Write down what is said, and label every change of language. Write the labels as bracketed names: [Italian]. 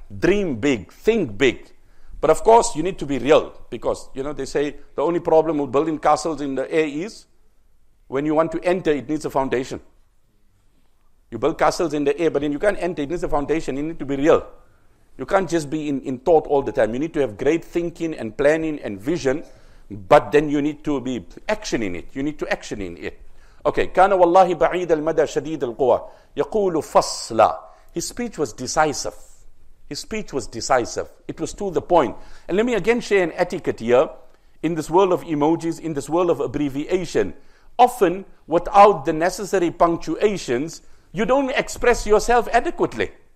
[English] Dream big, think big. But of course, you need to be real, because, you know, they say the only problem with building castles in the air is when you want to enter, it needs a foundation. You build castles in the air, but then you can't enter. It needs a foundation. You need to be real. You can't just be in thought all the time. You need to have great thinking and planning and vision, but then you need to be action in it. You need to action in it. Okay. [Arabic] كان والله بعيد المدى شديد القوى يقول فصلا. [English] His speech was decisive. His speech was decisive. It was to the point. And let me again share an etiquette here. In this world of emojis, in this world of abbreviation, often without the necessary punctuations, you don't express yourself adequately.